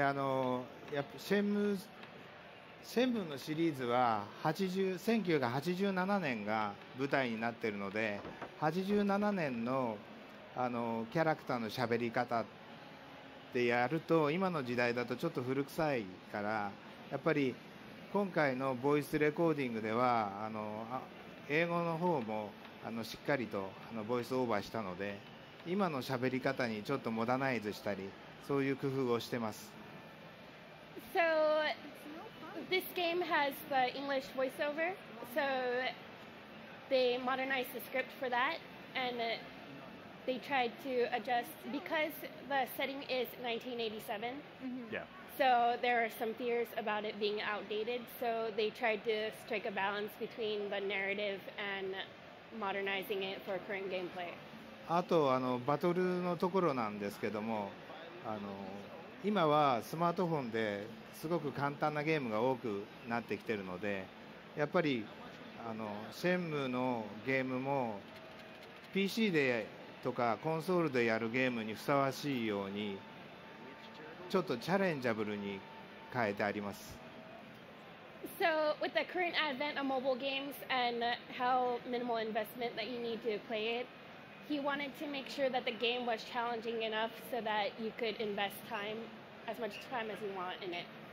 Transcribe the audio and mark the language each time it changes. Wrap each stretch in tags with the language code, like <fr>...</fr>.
<ja>あのやっぱシェンムのシリーズは1987年が舞台になっているので87年 のキャラクターの喋り方でやると今の時代だとちょっと古臭いからやっぱり今回のボイスレコーディングでは英語の方もしっかりとボイスオーバーしたので今の喋り方にちょっとモダナイズしたりそういう工夫をしてます。</ja> <en>So... This game has the English voiceover, so they modernized the script for that, and they tried to adjust, because the setting is 1987, So there are some fears about it being outdated, so they tried to strike a balance between the narrative and modernizing it for current gameplay.</en> <ja>あと、バトルのところなんですけども、今はスマートフォンですごく簡単なゲームが多くなってきているのでやっぱりシェンムのゲームも PC でとかコンソールでやるゲームにふさわしいようにちょっとチャレンジャブルに変えてあります。</ja> <en>So with the current advent of mobile games and how minimal investment that you need to play itHe wanted to make sure that the game was challenging enough so that you could invest time, as much time as you want in it.</en>